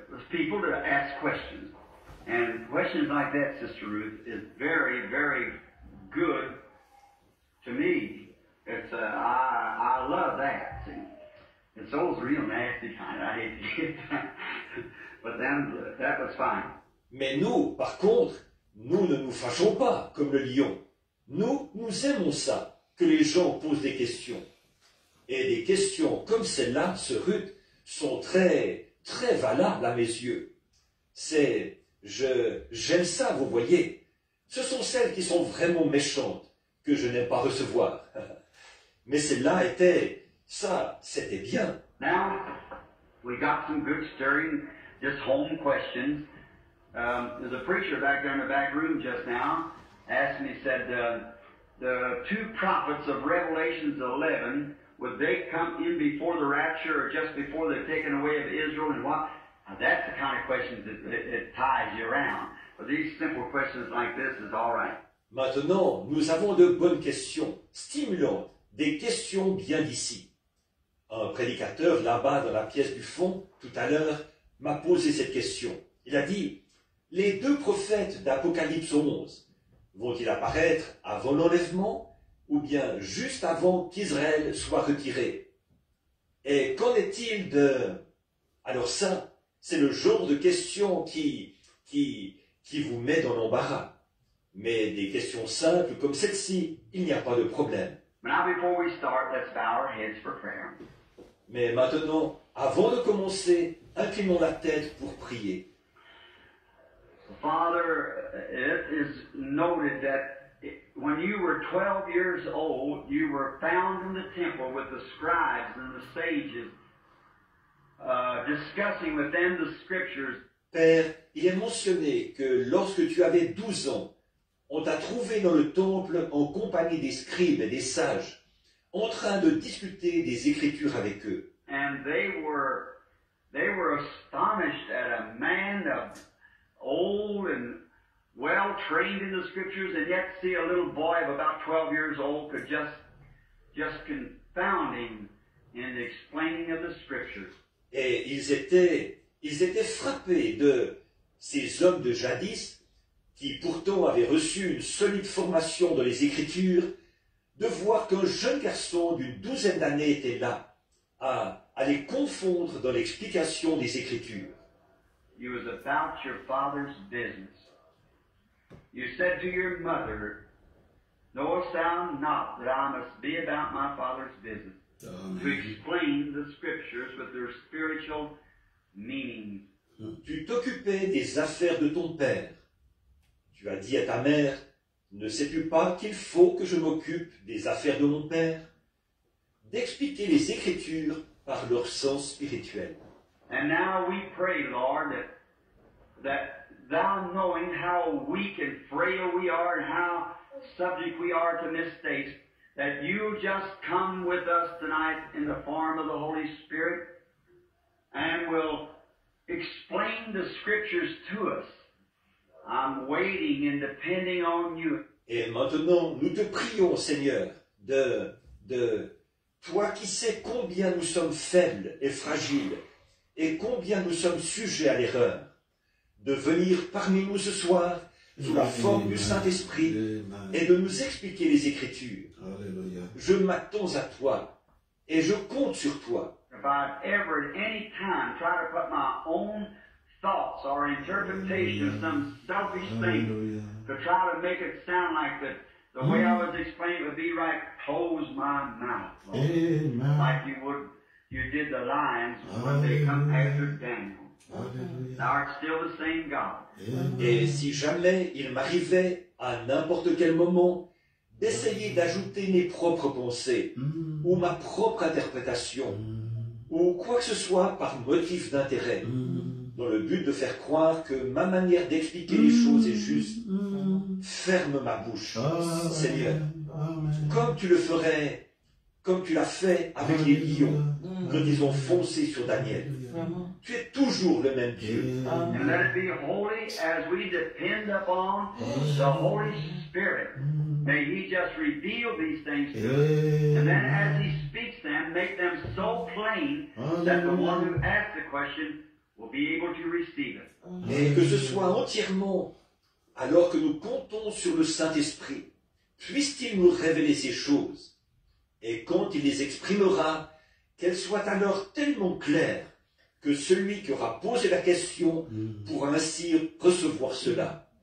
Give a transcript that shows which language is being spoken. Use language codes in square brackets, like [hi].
[en] People to ask questions. And questions like that, Sister Ruth, is very, very good to me. I love that. See? It's always real nasty kind. I hate to get that. But then, that was fine. [fr] Mais nous, par contre, nous ne nous fâchons pas comme le lion. Nous aimons ça, que les gens posent des questions. Et des questions comme celle-là, Sœur Ruth, sont très... très valable à mes yeux. J'aime ça, vous voyez. Ce sont celles qui sont vraiment méchantes que je n'aime pas recevoir. Mais celle-là était, ça, c'était bien. [en] Now, we got some good stirring, just home questions. There's a preacher back there in the back room just now asked me, said, the two prophets of Revelation 11, would they come in before the rapture or just before they're taken away of Israel and what? Now that's the kind of question that ties you around. But these simple questions like this is all right. [fr] Maintenant, nous avons de bonnes questions, stimulantes, des questions bien d'ici. Un prédicateur là-bas dans la pièce du fond, tout à l'heure, m'a posé cette question. Il a dit, les deux prophètes d'Apocalypse 11 vont-ils apparaître avant l'enlèvement ou bien juste avant qu'Israël soit retiré? Et qu'en est-il de... Alors ça, c'est le genre de question qui vous met dans l'embarras. Mais des questions simples comme celle-ci, il n'y a pas de problème. [en] Now before we start, let's bow our heads for prayer. [fr] Mais maintenant, avant de commencer, inclinons la tête pour prier. [en] Father, it is noted that when you were 12 years old, you were found in the temple with the scribes and the sages, discussing with them the scriptures. [fr] Père, il est mentionné que lorsque tu avais 12 ans, on t'a trouvé dans le temple en compagnie des scribes et des sages, en train de discuter des écritures avec eux. [en] And they were astonished at a man of old and well trained in the scriptures, and yet see a little boy of about 12 years old could just confound him in the explaining of the scriptures. [fr] Et ils étaient frappés de ces hommes de jadis qui pourtant avait reçu une solide formation dans les Écritures, de voir qu'un jeune garçon d'une douzaine d'années était là, à aller confondre dans l'explication des Écritures. [en] You was about your father's business. You said to your mother, knowest thou not that I must be about my father's business, to explain the scriptures with their spiritual meaning. [fr] Tu t'occupais des affaires de ton père. Tu as dit à ta mère, ne sais-tu pas qu'il faut que je m'occupe des affaires de mon père, d'expliquer les Écritures par leur sens spirituel. [en] And now we pray, Lord, that thou knowing how weak and frail we are and how subject we are to mistakes, that you just come with us tonight in the form of the Holy Spirit and will explain the scriptures to us. I'm waiting and depending on you. [fr] Et maintenant, nous te prions, Seigneur, de toi qui sais combien nous sommes faibles et fragiles et combien nous sommes sujets à l'erreur, de venir parmi nous ce soir sous la forme du Saint-Esprit et de nous expliquer les Écritures. Alléluia. Je m'attends à toi et je compte sur toi. [en] If I ever at any time try to put my own thoughts or interpretation of some selfish thing to try to make it sound like that, the way I was explaining it would be right, close my mouth, Lord. Amen. Like you did the lions when they come after Daniel. Thou art still the same God. [fr] Et si jamais il m'arrivait à n'importe quel moment d'essayer d'ajouter mes propres pensées ou ma propre interprétation ou quoi que ce soit par motif d'intérêt dans le but de faire croire que ma manière d'expliquer les choses est juste, ferme ma bouche, Seigneur, comme tu le ferais, comme tu l'as fait avec les lions que ils ont foncé sur Daniel. Tu es toujours le même Dieu. [en] And let it be holy as we depend upon the Holy Spirit. May He just reveal these things to us. And then as He speaks them, make them so plain that the one who asks the question will be able to receive it. [fr] Et que ce soit entièrement, alors que nous comptons sur le Saint-Esprit, puisse-t-il nous révéler ces choses. Et quand il les exprimera, qu'elles soient alors tellement claires que celui qui aura posé la question pourra ainsi recevoir cela.